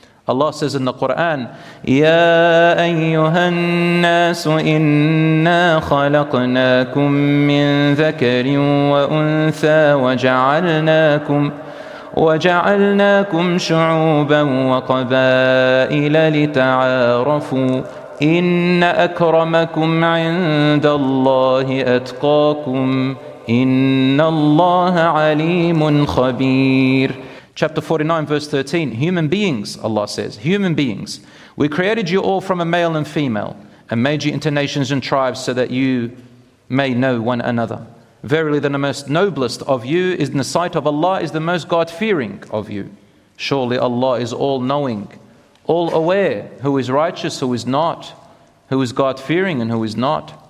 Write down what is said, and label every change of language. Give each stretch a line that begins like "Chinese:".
English: Allah says in the Quran,
Arabic: Ya ayyuha an-nas inna khalaqnakum min dhakarin wa untha wa ja'alnakum وَجَعَلْنَاكُمْ شُعُوبًا وَقَبَائِلَ لِتَعَارَفُوا إِنَّ أَكْرَمَكُمْ عِنْدَ اللَّهِ أَتْقَاكُمْ إِنَّ اللَّهَ عَلِيمٌ خَبِيرٌ
English: Chapter 49, verse 13. Human beings, Allah says, human beings, we created you all from a male and female and made you into nations and tribes so that you may know one another. Verily, the most noblest of you is in the sight of Allah is the most God-fearing of you. Surely Allah is all-knowing, all-aware, who is righteous, who is not, who is God-fearing and who is not.